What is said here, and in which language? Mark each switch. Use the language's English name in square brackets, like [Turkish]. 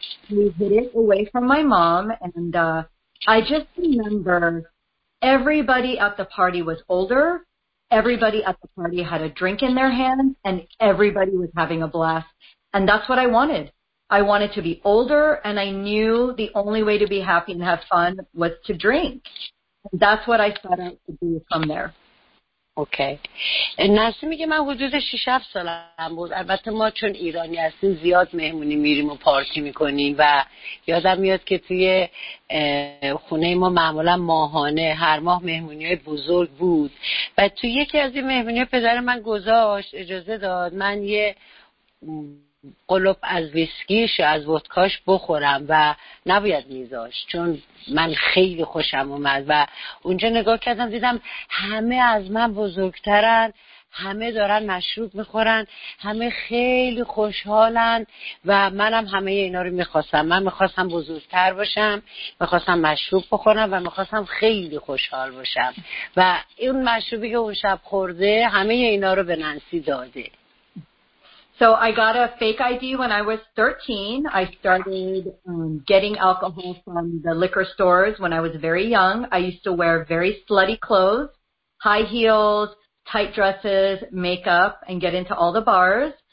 [English] We hid it away from my mom, and I just remember everybody at the party was older, everybody at the party had a drink in their hand, and everybody was having a blast. And that's what I wanted. I wanted to be older, and I knew the only way to be happy and have fun was to drink. And that's what I set out to do from there. [Persian] اوکی. نرسی میگه من حدود 6-7 سالم بود. البته ما چون ایرانی هستیم زیاد مهمونی میریم و پارتی میکنیم و یادم میاد که توی خونه ما معمولا ماهانه هر ماه مهمونی های بزرگ بود و توی یکی از این مهمونی ها پدر من گذاشت اجازه داد من یه قلوب از ویسکیش و از ودکاش بخورم و نباید میذاشت چون من خیلی خوشم اومد و اونجا نگاه کردم دیدم همه از من بزرگترن، همه دارن مشروب میخورن، همه خیلی خوشحالن و منم همه اینا رو میخواستم. من میخواستم بزرگتر باشم، میخواستم مشروب بخورم و میخواستم خیلی خوشحال باشم و اون مشروبی که اون شب خورده همه اینا رو به ننسی داده. [English] So I got a fake ID when I was 13. I started getting alcohol from the liquor stores when I was very young. I used to wear very slutty clothes, high heels, tight dresses, makeup, and get into all the bars.